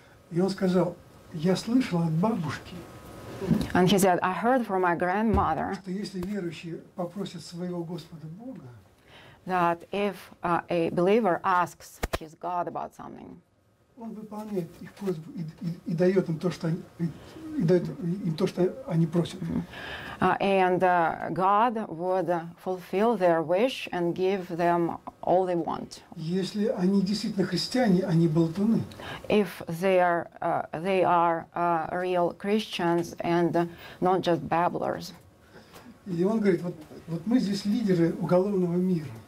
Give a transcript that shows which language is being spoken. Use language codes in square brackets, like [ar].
[ru] И он сказал, я слышал от бабушки. [en] And he said, I heard from my grandmother [ru] что если верующий попросит своего Господа Бога, [en] that if a believer asks his God about something, [ru] Он выполняет их просьбу и дает им то, что они, и дает им то, что они просят. [en] And God would fulfill their wish and give them all they want. [ru] Если они действительно христиане, они болтуны. [en] If they are real Christians and not just babblers. [ru] И он говорит, вот мы здесь лидеры уголовного мира.